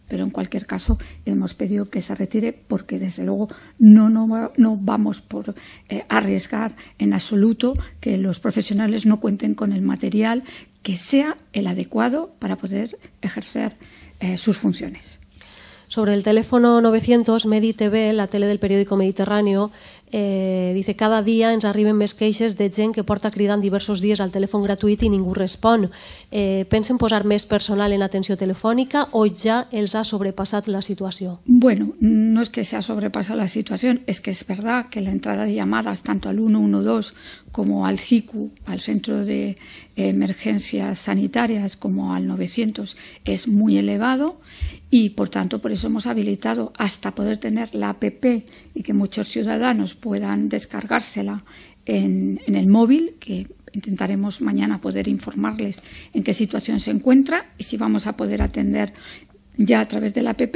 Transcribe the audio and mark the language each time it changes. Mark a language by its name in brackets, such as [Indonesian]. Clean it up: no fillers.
[Spanish] Pero en cualquier caso hemos pedido que se retire porque desde luego no vamos a arriesgar en absoluto que los profesionales no cuenten con el material que sea el adecuado para poder ejercer sus funciones. Sobre el teléfono 900, MediTV, la tele del periódico Mediterráneo, dice: [Catalan] cada día ens arriben més queixes de gent que porta cridant diversos dies al telèfon gratuït i ningú respon. ¿Pensen posar més personal en atenció telefònica o ja els ha sobrepassat la situació? [Spanish] Bueno, no es que se ha [Catalan] sobrepassat la situació, [Spanish] es que es verdad que la entrada de llamadas tanto al 112 como al CICU, al Centro de Emergencias Sanitarias, como al 900, es muy elevado. Y, por tanto, por eso hemos habilitado hasta poder tener la app y que muchos ciudadanos puedan descargársela en el móvil, que intentaremos mañana poder informarles en qué situación se encuentra y si vamos a poder atender ya a través de la app.